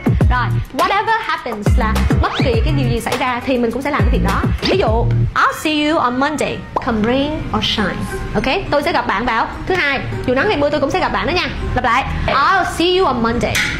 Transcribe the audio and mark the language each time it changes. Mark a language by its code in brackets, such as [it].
[vi] Rồi, [en] whatever happens [vi] là bất kỳ cái điều gì xảy ra thì mình cũng sẽ làm cái việc đó. Ví dụ, [en] I'll see you on Monday, come rain or shine. [vi] Ok, tôi sẽ gặp bạn vào thứ hai, dù nắng hay mưa tôi cũng sẽ gặp bạn đó nha. Lặp lại, [en] I'll see you on Monday,